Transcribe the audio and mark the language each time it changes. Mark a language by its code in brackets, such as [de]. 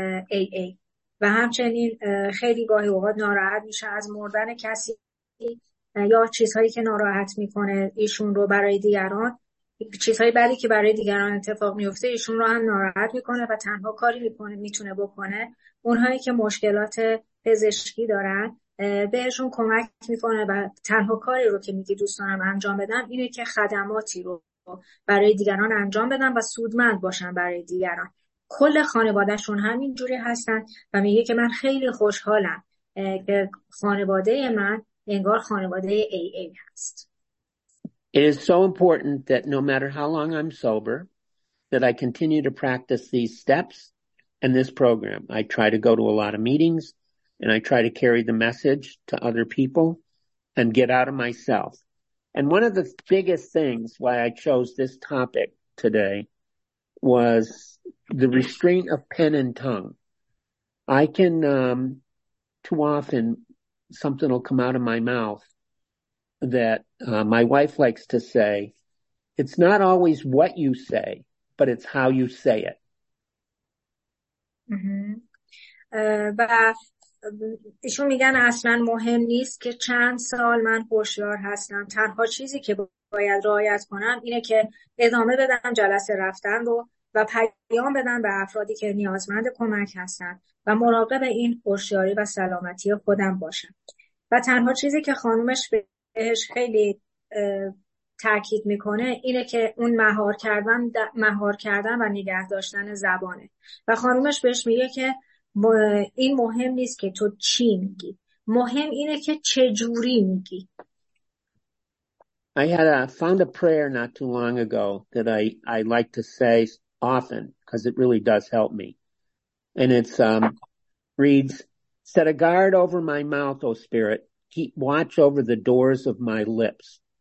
[fa] AA و همچنین خیلی گاهی اوقات ناراحت میشه از مردن کسی یا چیزهایی که ناراحت میکنه ایشون رو برای دیگران، چیزهای بعدی که برای دیگران اتفاق میفته ایشون رو هم ناراحت میکنه و تنها کاری میکنه میتونه بکنه اونهایی که مشکلات پزشکی دارن بهشون کمک میکنه و تنها کاری رو که میگه دوست دارم انجام بدم اینه که خدماتی رو برای دیگران انجام بدم و سودمند باشن برای دیگران. کل خانوادهشون همین جوری هستن و میگه که من خیلی خوشحالم که خانواده من انگار خانواده AA هست. [en] It is so important that no matter how long I'm sober, that I continue to practice these steps and this program. I try to go to a lot of meetings and I try to carry the message to other people and get out of myself. And one of the biggest things why I chose this topic today was the restraint of pen and tongue. I can, too often something will come out of my mouth that my wife likes to say, it's not always what you say, but it's how you say it. [fa] و ایشون میگن اصلا مهم نیست که چند سال من هوشیار هستم، تنها چیزی که باید رعایت کنم اینه که ادامه بدم جلسه رفتن رو و پیام بدم به افرادی که نیازمند کمک هستن و مراقب این هوشیاری و سلامتی خودم باشم. و تنها چیزی که خانومش بهش خیلی تاکید میکنه اینه که اون مهار کردن و نگه داشتن زبانه. و خانومش بهش میگه که این مهم نیست که تو چی میگی، مهم اینه که چه جوری میگی. [en] I had a found a prayer not too long ago that I like to say often because it really does help me. And it's reads, set a guard over my mouth, O Spirit, keep watch over the doors of my lips.